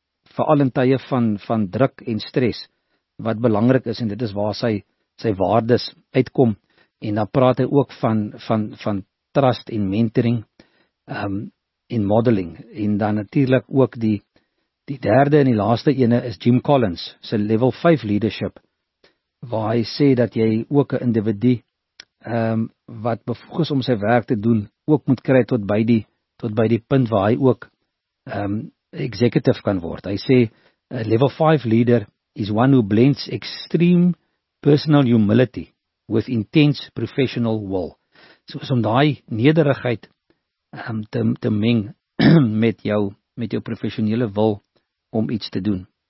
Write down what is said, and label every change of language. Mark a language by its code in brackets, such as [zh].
[af] vooral in tye van druk en stres, wat belangrik is, en dit is waar sy waardes uitkom, en dan praat hy ook van trust en mentoring en modeling, en dan natuurlik ook die derde en die laaste ene is Jim Collins, sy level 5 leadership, waar hy sê dat jy ook 'n individu wat bevoeg is om sy werk te doen, ook moet kry tot by die punt waar hy ook executive kan word. Hy sê, [en] a level 5 leader is one who blends extreme personal humility with intense professional will. [af] So is om daai nederigheid te meng met jou professionele wil om iets te doen.